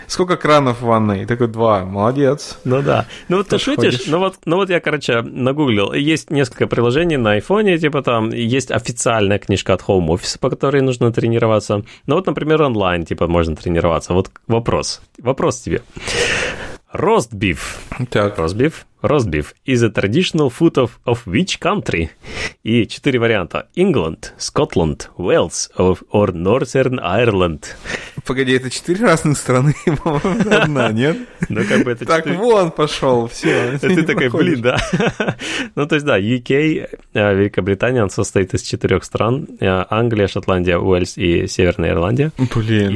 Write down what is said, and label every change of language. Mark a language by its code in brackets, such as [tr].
[ru] Сколько кранов в ванной? И такой, 2. Молодец. Ну, да. Ну, вот ты шутишь, ну вот я, короче, нагуглил. Есть несколько приложений на айфоне, типа там есть официальная книжка от Home Office, по которой нужно тренироваться. Ну, вот, например, онлайн, типа, можно тренироваться. Вот вопрос. Вопрос тебе. Roast beef. Так. [en] Roast beef is a traditional food of which country? [ru] И 4 варианта. [en] England, Scotland, Wales or Northern Ireland. [ru] Погоди, это 4 разных страны? Одна, нет? Ну, как бы это 4... Так, вон пошел, все. Ты такой, блин, да. Ну, то есть, да, UK, Великобритания, он состоит из 4 стран. Англия, Шотландия, Уэльс и Северная Ирландия. Блин.